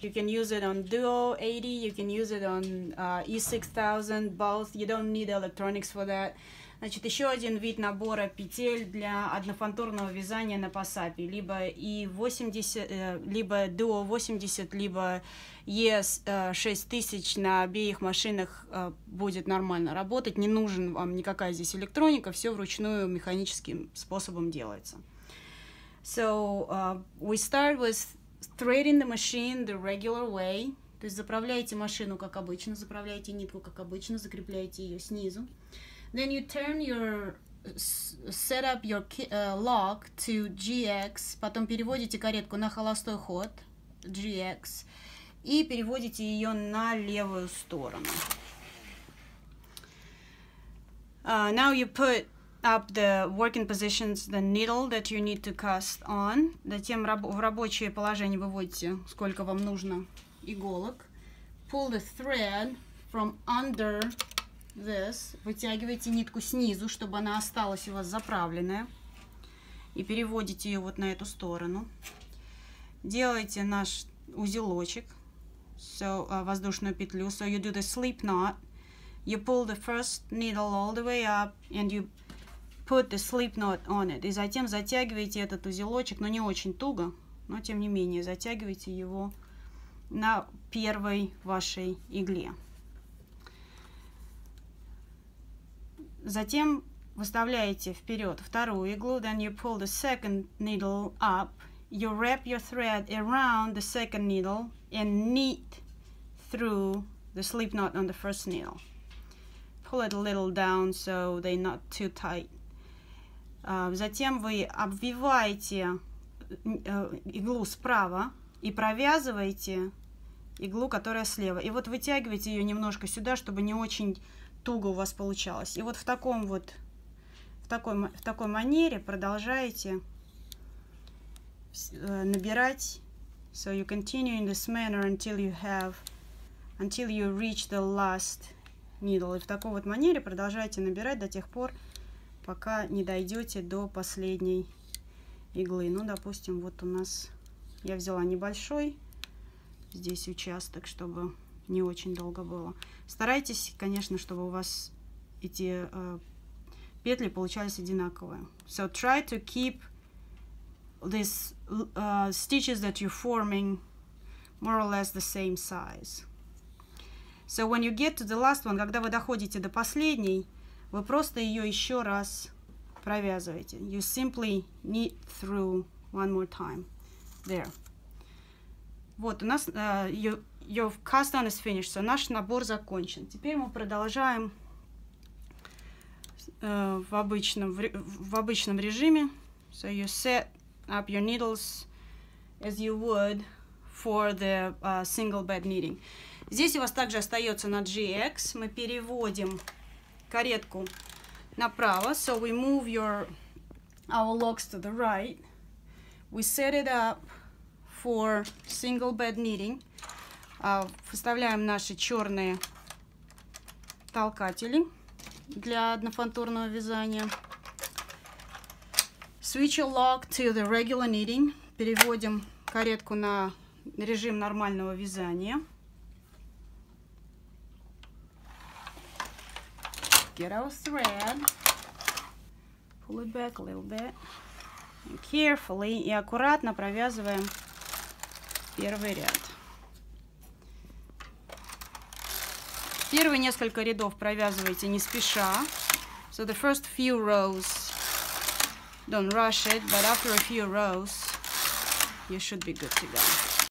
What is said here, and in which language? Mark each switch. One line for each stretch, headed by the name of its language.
English: You can use it on Duo 80, you can use it on E6000, both. You don't need electronics for that.
Russian: Значит, еще один вид набора петель для однофантурного вязания на пасапе. Либо E80, либо Duo 80, либо ES6000 на обеих машинах будет нормально работать. Не нужен вам никакая здесь электроника, все вручную механическим способом делается.
English: So, we start with threading the machine the regular way.
Russian: То есть заправляете машину как обычно, заправляете нитку как обычно, закрепляете ее снизу.
English: Then you turn your set up your lock to GX,
Russian: потом переводите каретку на холостой ход GX и переводите ее на левую сторону.
English: Now you put up the working positions, the needle that you need to cast on.
Russian: Затем в рабочее положение выводите, сколько вам нужно иголок.
English: Pull the thread from under this.
Russian: Вытягиваете нитку снизу, чтобы она осталась у вас заправленная. И переводите ее вот на эту сторону. Делаете наш узелочек, воздушную петлю.
English: So you do the slip knot. You pull the first needle all the way up and you put the slip knot on it.
Russian: И затем затягиваете этот узелочек, но не очень туго, но тем не менее затягиваете его на первой вашей игле. Затем выставляете вперед вторую иглу,
English: then you pull the second needle up, you wrap your thread around the second needle and knit through the slip knot on the first needle. Pull it a little down so they're not too tight.
Russian: Затем вы обвиваете иглу справа и провязываете иглу, которая слева. И вот вытягиваете ее немножко сюда, чтобы не очень туго у вас получалось. И вот в таком вот, в такой манере продолжаете набирать.
English: So you continue in this manner until you reach the last needle.
Russian: И в такой вот манере продолжаете набирать до тех пор, пока не дойдете до последней иглы. Ну, допустим, вот у нас я взяла небольшой здесь участок, чтобы не очень долго было. Старайтесь, конечно, чтобы у вас эти петли получались одинаковые.
English: So try to keep these stitches that you're forming more or less the same size. So when you get to the last one,
Russian: когда вы доходите до последней, вы просто ее еще раз провязываете.
English: You simply knit through one more time. There.
Russian: Вот, у нас
English: your cast on is finished.
Russian: So наш набор закончен. Теперь мы продолжаем в обычном режиме.
English: So you set up your needles as you would for the single bed knitting.
Russian: Здесь у вас также остается на GX. Мы переводим каретку направо.
English: So we move our locks to the right. We set it up for single bed knitting.
Russian: Вставляем наши черные толкатели для однофантурного вязания.
English: Switch your lock to the regular knitting.
Russian: Переводим каретку на режим нормального вязания.
English: Get our thread, pull it back a little bit, and carefully,
Russian: и аккуратно провязываем первый ряд. Первые несколько рядов провязывайте не спеша.
English: So the first few rows, don't rush it, but after a few rows, you should be good to go.